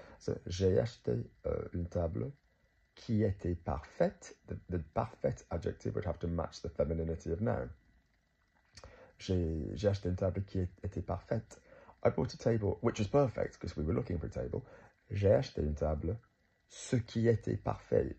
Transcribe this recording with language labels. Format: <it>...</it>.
<fr>So, j'ai acheté une table qui était parfaite.</fr> <en>The parfait adjective would have to match the femininity of noun.</en> <fr>J'ai acheté une table qui était parfaite.</fr> <en>I bought a table which was perfect because we were looking for a table.</en> <fr>J'ai acheté une table ce qui était parfait.</fr>